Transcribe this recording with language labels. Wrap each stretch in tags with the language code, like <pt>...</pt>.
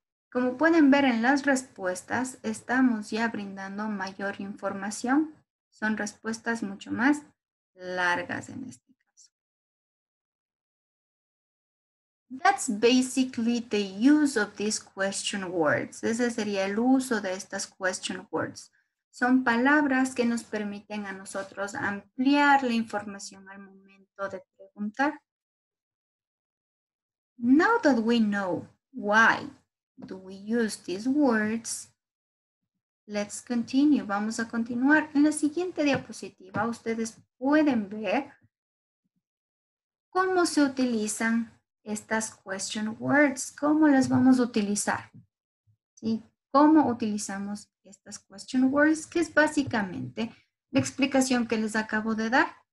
<es>Como pueden ver en las respuestas, estamos ya brindando mayor información. Son respuestas mucho más largas en este caso.</es> <en>That's basically the use of these question words.</en> <es>Ese sería el uso de estas question words. Son palabras que nos permiten a nosotros ampliar la información al momento de preguntar.</es> <en>Now that we know why do we use these words, let's continue.</en> <es>Vamos a continuar. En la siguiente diapositiva, ustedes pueden ver cómo se utilizan estas question words, cómo las vamos a utilizar. ¿Sí? ¿Cómo utilizamos estas question words? Que es básicamente la explicación que les acabo de dar.</es>